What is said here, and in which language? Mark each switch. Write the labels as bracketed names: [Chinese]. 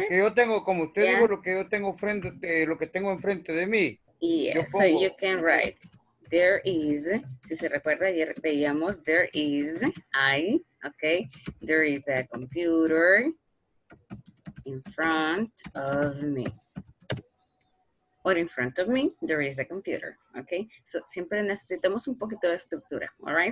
[Spanish] Lo que yo tengo, como usted dijo, lo que yo tengo frente, lo que tengo enfrente de mí. [English] Yeah, [Spanish] pongo, [English] so you can write, there is, [Spanish] si se recuerda, ayer veíamos, [English] there is, I, okay, there is a computer in front of me. Or in front of me, there is a computer, okay? [Spanish] So siempre necesitamos un poquito de estructura, [English] all right?